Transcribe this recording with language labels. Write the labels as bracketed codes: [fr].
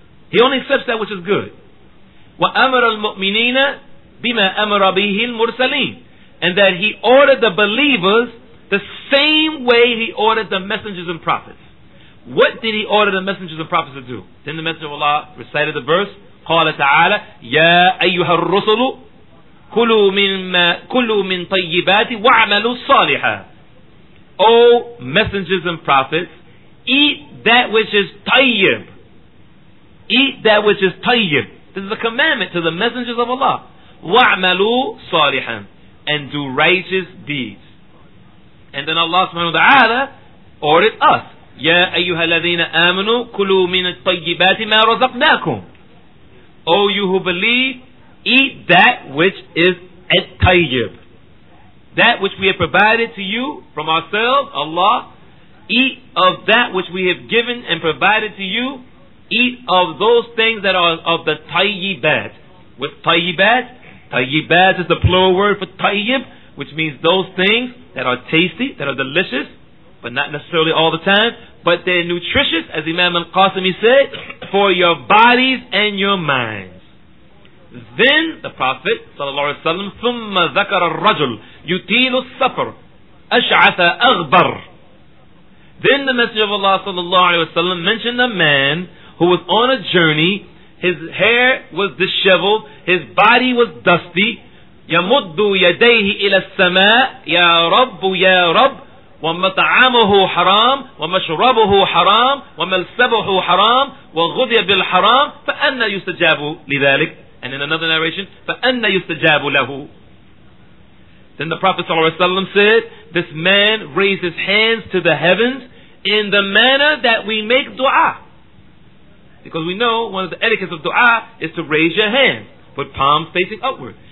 [en] He only accepts that which is good. [ar] وَأَمَرَ الْمُؤْمِنِينَ بِمَا أَمَرَ بِهِ الْمُرْسَلِينَ, [en] and that He ordered the believers the same way He ordered the messengers and prophets. What did He order the messengers and prophets to do? Then the Messenger of Allah recited the verse, [ar] قَالَ تَعَالَى يَا أَيُّهَا الرُّسُلُ كُلُوا مِن طَيِّبَاتِ وَعْمَلُوا صَالِحًا. [en] O messengers and prophets, eat that which is tayyib. Eat that which is tayyib. This is a commandment to the messengers of Allah. [ar] وَعْمَلُوا صَالِحًا, [en] and do righteous deeds. And then Allah subhanahu wa ta'ala ordered us, [ar] يَا أَيُّهَا الَّذِينَ آمَنُوا كُلُوا مِنَ الطَّيِّبَاتِ مَا رَزَقْنَاكُمْ. [en] O you who believe, eat that which is at-tayyib. That which we have provided to you from ourselves, Allah. Eat of that which we have given and provided to you. Eat of those things that are of the tayyibat. With tayyibat, tayyibat is the plural word for tayyib, which means those things that are tasty, that are delicious, but not necessarily all the time, but they're nutritious, as Imam Al-Qasimi said, for your bodies and your minds. Then the Prophet sallallahu alaihi wasallam, [ar] ثم ذكر الرجل يطيل السفر أشعث أغبر. [en] Then the Messenger of Allah sallallahu alaihi wasallam mentioned a man who was on a journey. His hair was disheveled, his body was dusty. [ar] يمد يديه إلى السماء يا رب يا رب ومطعمه حرام ومشربه حرام وملسبه حرام وغذي بالحرام فأنا يستجاب لذلك. [en] And in another narration, [ar] فَأَنَّ يُسْتَجَابُ لَهُ. [en] Then the Prophet ﷺ said, this man raised his hands to the heavens in the manner that we make dua. Because we know one of the etiquettes of dua is to raise your hands, put palms facing upward.